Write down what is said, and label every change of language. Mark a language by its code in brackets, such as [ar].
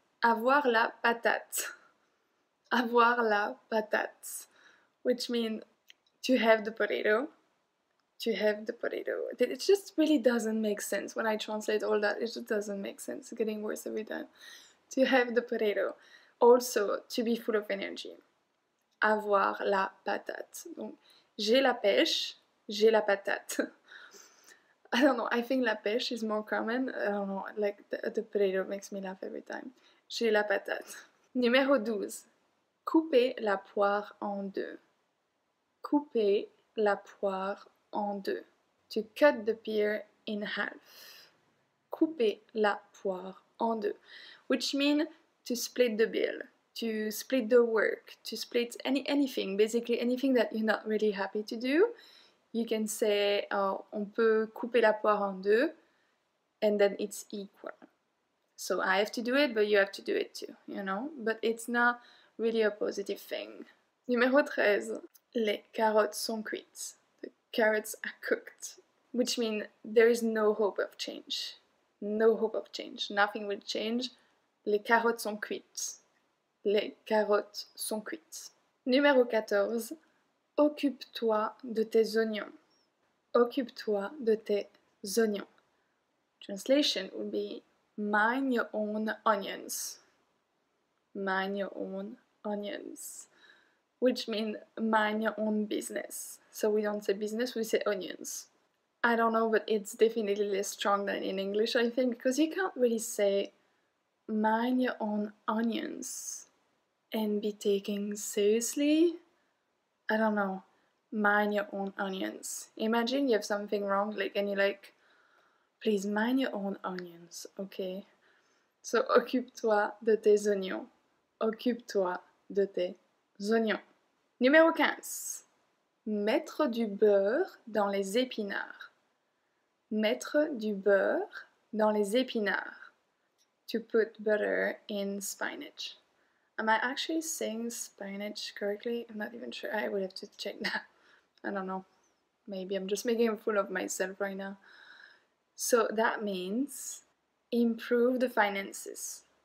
[fr] Avoir la patate. Avoir la patate. [en] Which means to have the potato. To have the potato. It just really doesn't make sense when I translate all that. It just doesn't make sense. It's getting worse every time. To have the potato. Also, to be full of energy. [fr] Avoir la patate. Donc, j'ai la pêche, j'ai la patate. [en] I don't know, I think la pêche is more common. I don't know, like the potato makes me laugh every time. [fr] J'ai la patate. Numéro 12. Couper la poire en deux. Couper la poire en deux. [en] To cut the pear in half. [fr] Couper la poire en deux. [en] Which means to split the bill, to split the work, to split anything, basically anything that you're not really happy to do. You can say, oh, [fr] on peut couper la poire en deux, [en] and then it's equal. So I have to do it, but you have to do it too, you know? But it's not really a positive thing. [fr] Numéro 13, les carottes sont cuites. [en] The carrots are cooked, which means there is no hope of change. No hope of change, nothing will change. [fr] Les carottes sont cuites. Les carottes sont cuites. Numéro 14. Occupe-toi de tes oignons. Occupe-toi de tes oignons. [en] Translation would be mind your own onions. Mind your own onions. Which means mind your own business. So we don't say business, we say onions. I don't know, but it's definitely less strong than in English, I think, because you can't really say mind your own onions and be taken seriously. I don't know. Mind your own onions. Imagine you have something wrong, like, and you're like, please mind your own onions, okay? [fr] So occupe-toi de tes oignons. Occupe-toi de tes oignons. Numéro 15. Mettre du beurre dans les épinards. Mettre du beurre dans les épinards. [en] To put butter in spinach. Am I actually saying spinach correctly? I'm not even sure. I would have to check that. I don't know. Maybe I'm just making a fool of myself right now. So that means improve the finances.